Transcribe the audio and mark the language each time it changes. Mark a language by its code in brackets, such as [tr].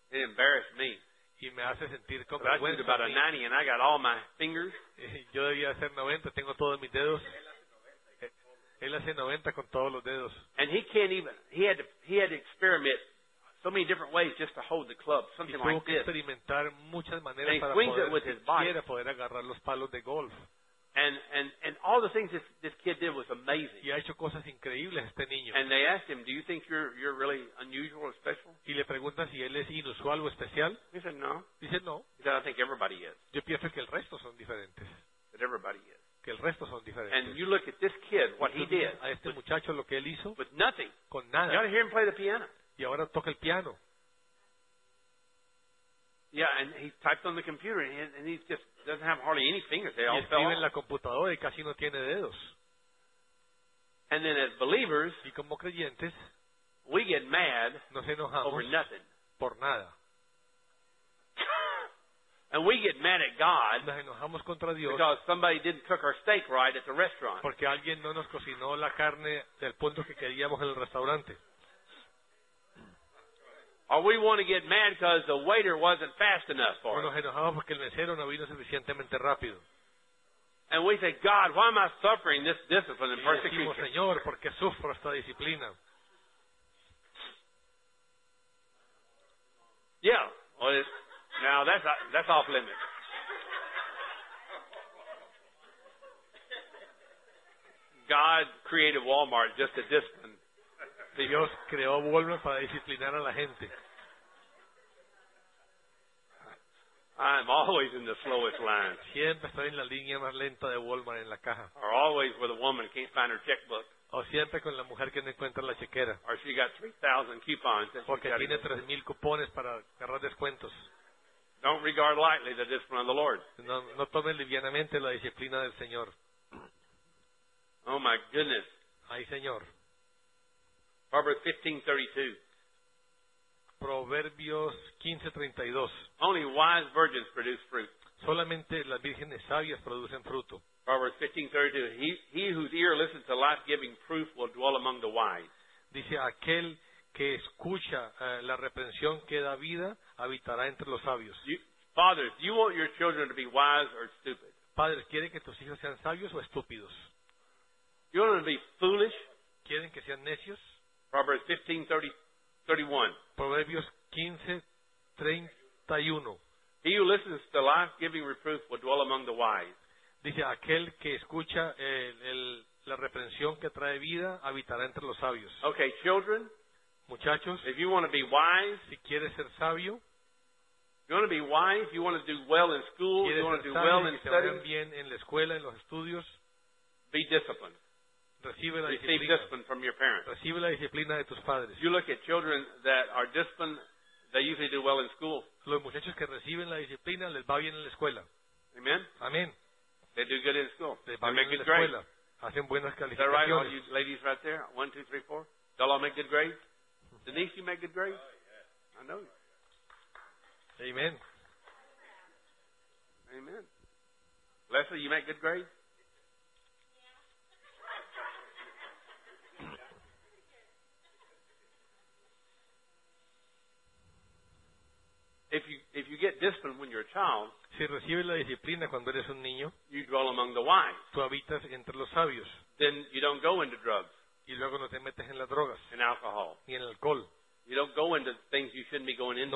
[en] It embarrassed me. [es] Y me hace sentir con vergüenza. [en] About a 90 and I got all my fingers. [es] Yo debía hacer 90, tengo todos mis dedos. Él hace 90 con todos los dedos. [en] And he can't even. He had to experiment. So many different ways just to hold the club, something like this. [es] Y tuvo que experimentar muchas maneras para poder agarrar los palos de golf. [en] And all the things this kid did was amazing. [es] Y ha hecho cosas increíbles este niño. [en] And they asked him, "Do you think you're really unusual or special?" [es] Y le preguntan si él es inusual o especial. [en] He said no. [es] Dice no. [en] He said, "I think everybody is." [es] Yo pienso que el resto son diferentes. [en] That everybody is. [es] Que el resto son diferentes. [en] And you look at this kid, what he did. [es] A este muchacho lo que él hizo. [en] With nothing. [es] Con nada. [en] You got to hear him play the piano. Y ahora toca el piano. Yeah, and he typed on the computer and he just doesn't have hardly any fingers. They all fell. [es] Escribe en la computadora y casi no tiene dedos. [en] And then as believers, [es] y como creyentes, [en] we get mad, [es] nos enojamos [en] over nothing, [es] por nada. [en] And we get mad at God, [es] nos enojamos contra Dios, [en] because somebody didn't cook our steak right at the restaurant. [es] Porque alguien no nos cocinó la carne del punto que queríamos en el restaurante. [en] Or we want to get mad because the waiter wasn't fast enough for us. [es] Nos enojamos porque el mesero no vino suficientemente rápido. [en] And we say, God, why am I suffering this discipline and persecution? [es] Y decimos, Señor, ¿por qué sufro esta disciplina? [en] Yeah. Well, now that's off limits. God created Walmart just to discipline. [es] Dios creó Walmart para disciplinar a la gente. [en] I'm always in the slowest line. [es] Siempre estoy en la línea más lenta de Walmart en la caja. [en] Or always with a woman who can't find her checkbook. [es] O siempre con la mujer que no encuentra la chequera. [en] Or she got 3,000 coupons. [es] Porque tiene 3,000 cupones para agarrar descuentos. [en] Don't regard lightly the discipline of the Lord. [es] No tomen livianamente la disciplina del Señor. [en] Oh my goodness. [es] Ay, Señor. [en] Proverbs 15:32. [es] Proverbios 15:32. [en] Only wise virgins produce fruit. [es] Solamente las vírgenes sabias producen fruto. [en] Proverbs 15:32. He whose ear listens to life-giving proof will dwell among the wise. [es] Dice aquel que escucha la reprensión que da vida habitará entre los sabios. [en] Fathers, do you want your children to be wise or stupid? [es] Padres, ¿quieren que tus hijos sean sabios o estúpidos? [en] You want them to be foolish? [es] ¿Quieren que sean necios? [en] Proverbs 15:31. [es] Proverbios 15:31. [en] He who listens to life-giving reproof will dwell among the wise. [es] Dice aquel que escucha la reprensión que trae vida habitará entre los sabios. [en] Okay, children. [es] Muchachos. [en] If you want to be wise, [es] si quieres ser sabio. [en] You want to be wise. You want to do well in school. You want to do well in studying. [es] Quieres ser bien en la escuela, en los estudios. [en] Be disciplined. [es] Recibe la [en] Receive [es] disciplina. [en] Discipline from your parents. [es] Recibe la disciplina de tus padres. [en] You look at children that are disciplined, they usually do well in school. [es] Los muchachos que reciben la disciplina les va bien en la escuela. [en] Amen. [es] Amen. [en] They do good in school. [es] Les [en] they make [es] en [en] good grades. [es] Hacen buenas calificaciones. [en] Right, all you ladies right there, 1, 2, 3, 4. They'll all make good grades. Denise, you make good grades. Oh, yeah. I know you. Amen. Amen. Leslie, you make good grades. If you get disciplined when you're a child, [es] si recibes la disciplina cuando eres un niño, [en] you dwell among the wise. [es] Tú habitas entre los sabios. [en] Then you don't go into drugs. [es] Y luego no te metes en las drogas. [en] And alcohol. [es] Y en el alcohol. [en] You don't go into things you shouldn't be going into.